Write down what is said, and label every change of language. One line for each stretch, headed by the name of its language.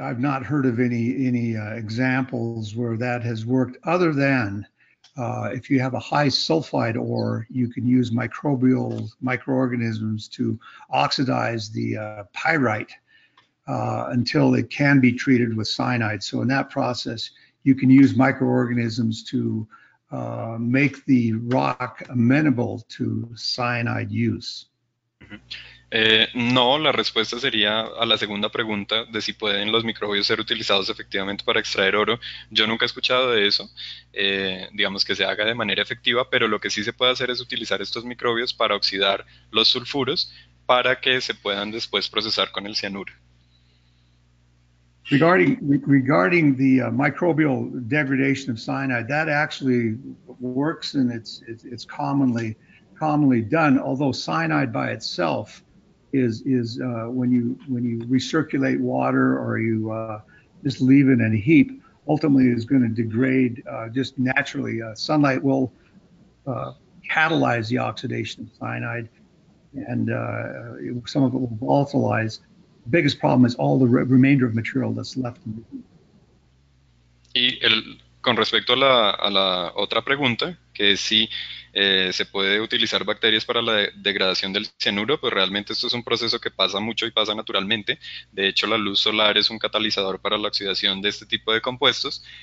English: I've not heard of any examples where that has worked, other than if you have a high sulfide ore, you can use microorganisms to oxidize the pyrite until it can be treated with cyanide. So in that process, you can use microorganisms to make the rock amenable to cyanide use.
Spanish: No, la respuesta sería a la segunda pregunta de si pueden los microbios ser utilizados efectivamente para extraer oro. Yo nunca he escuchado de eso, digamos que se haga de manera efectiva, pero lo que sí se puede hacer es utilizar estos microbios para oxidar los sulfuros para que se puedan después procesar con el cianuro.
English: Regarding the microbial degradation of cyanide, that actually works and it's commonly done, although cyanide by itself is when you recirculate water or you just leave it in a heap, ultimately is going to degrade just naturally. Sunlight will catalyze the oxidation of cyanide, and some of it will volatilize. The biggest problem is all the remainder of material that's left in the heap.
Spanish: Con respecto a la otra pregunta, que es si se puede utilizar bacterias para la degradación del cianuro, pues realmente esto es un proceso que pasa mucho y pasa naturalmente. De hecho, la luz solar es un catalizador para la oxidación de este tipo de compuestos.